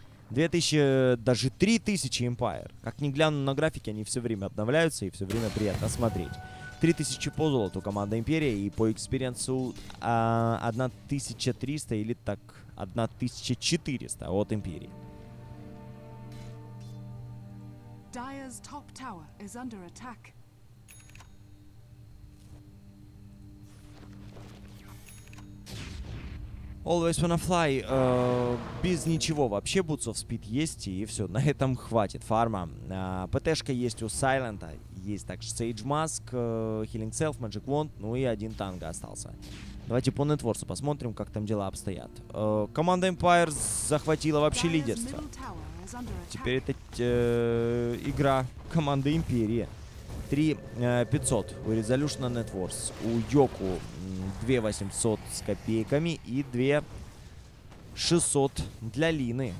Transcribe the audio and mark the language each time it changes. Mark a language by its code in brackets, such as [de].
[ru] 2000, даже 3000 Empire. Как ни гляну на графики, они все время обновляются и все время приятно смотреть. 3000 по золоту команда Империя и по экспириенсу 1300 или так 1400 от Империи. [en] Dire's top tower is under attack. [ru] Always wanna fly. Без ничего вообще. Boots of Speed есть и все. На этом хватит фарма. ПТшка есть у Сайлента. Есть также Sage Mask, Healing Self, Magic Wand. Ну и один танго остался. Давайте по нетворцу посмотрим, как там дела обстоят. Команда Empire захватила вообще лидерство. Теперь это игра команды Империи. 3500 у Resolution на Networks. У Йоку 2800 с копейками и 2600 для Лины.